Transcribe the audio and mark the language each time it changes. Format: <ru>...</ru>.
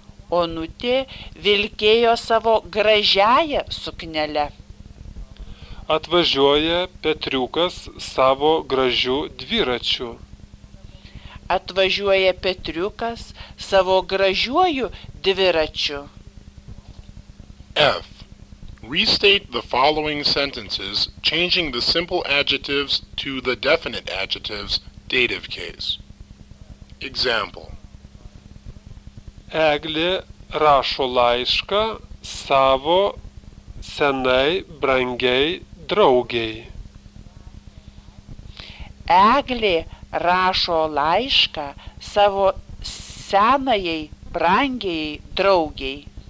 <lt>Onutė vilkėjo savo gražiąją suknelę. Atvažiuoja Petriukas savo gražiu dviračiu. Atvažiuoja Petriukas savo gražiuoju dviračiu. F.</lt> <en>Restate the following sentences, changing the simple adjectives to the definite adjectives, dative case. Example.</en> <lt>Eglė rašo laišką savo senai brangiai draugei. Eglė rašo laišką savo senajai brangiai draugei.</lt>